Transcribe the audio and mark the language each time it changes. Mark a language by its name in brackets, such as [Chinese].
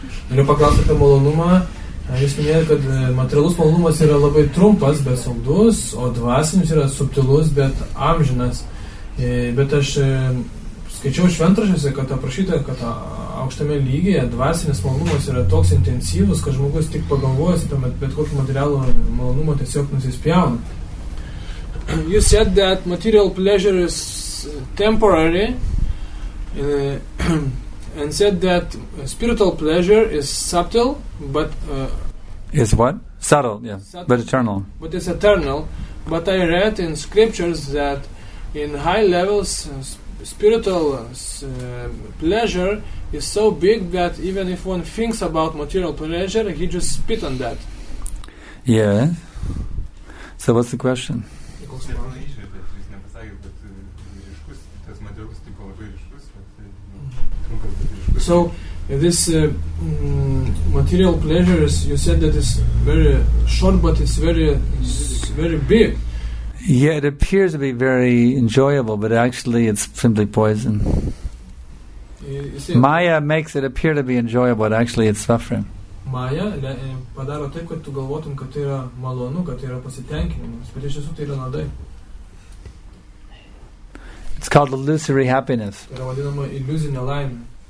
[Lithuanian] Noriu paklausti apie malonumą. Jūs minėjote, kad materialus malonumas yra labai trumpas, bet saldus, o dvasinis yra subtilus, bet amžinas. Bet aš skaičiau šventrašiuose, kad aprašyta, kad aukštame lygyje dvasinis malonumas yra toks intensyvus, kad žmogus tik pagalvojasi, bet kokį materialų malonumą tiesiog nusispjauna. [English] You said that material pleasure is temporary and said that spiritual pleasure is subtle, but... Is what? Subtle, yeah. Subtle, but eternal. But it's eternal. But I read in scriptures that in high levels... spiritual pleasure is so big that even if one thinks about material pleasure, he just spit on that. Yeah. So what's the question? So This material pleasures, you said that it's very short, but it's very big. Yeah, it appears to be very enjoyable, but actually it's simply poison. Maya makes it appear to be enjoyable, but actually it's suffering. [Lithuanian] Maya padaro taip, kad tu galvotum, kad tai yra malonu, kad tai yra pasitenkinimas, bet iš tiesų tai yra nuodai. [English] It's called illusory happiness. [Lithuanian] Tai yra vadinama iliuzinė laimė.